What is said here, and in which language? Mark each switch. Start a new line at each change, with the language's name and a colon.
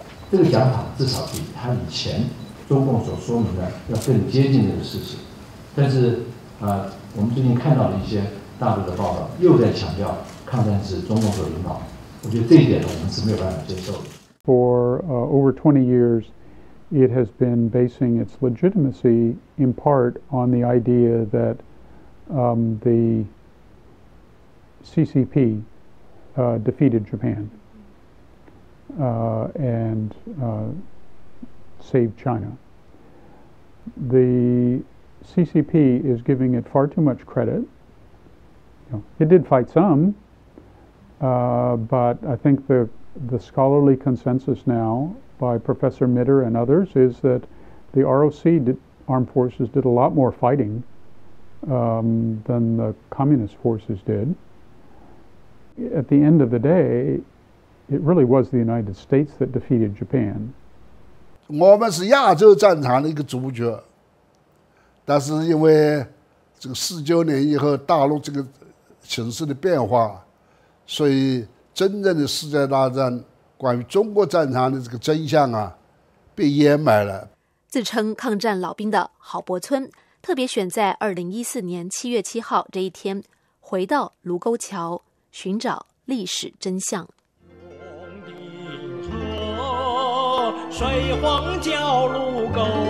Chinese: 这个讲法至少比他以前中共所说明的要更接近这个事实。但是我们最近看到了一些大陆的报道，又在强调抗战是中共所领导的，我觉得这一点呢，我们是没有办法接受的。
English: For over 20 years. It has been basing its legitimacy in part on the idea that the CCP defeated Japan and saved China. The CCP is giving it far too much credit. You know, it did fight some, but I think the scholarly consensus now. By Professor Mitter and others, is that the ROC armed forces did a lot more fighting than the communist forces did. At the end of the day, it really was the United States that defeated Japan. We are the Asia battle front's main player, but because of the 1949 after the China China situation's change, so the real World War II.
Chinese: 关于中国战场的这个真相啊，被掩埋了。自称抗战老兵的郝伯村特别选在2014年7月7号这一天回到卢沟桥寻找历史真相。水荒叫卢沟，